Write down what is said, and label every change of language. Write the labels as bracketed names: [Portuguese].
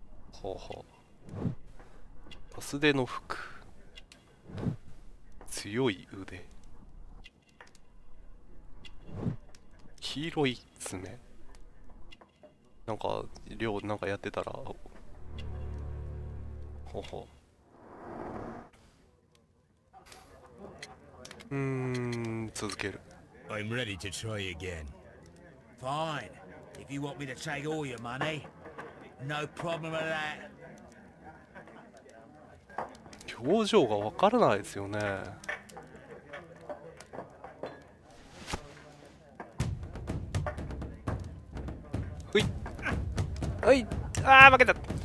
[Japanese] ほうほう、薄手の服、強い腕、黄色い爪、なんか寮なんかやってたら、ほうほう、続ける。 [English] I'm ready to try again. Fine. If you want me to take all your money. No problem with that. [Japanese] 表情が分からないですよね。ういっ、ういっ、あー負けた。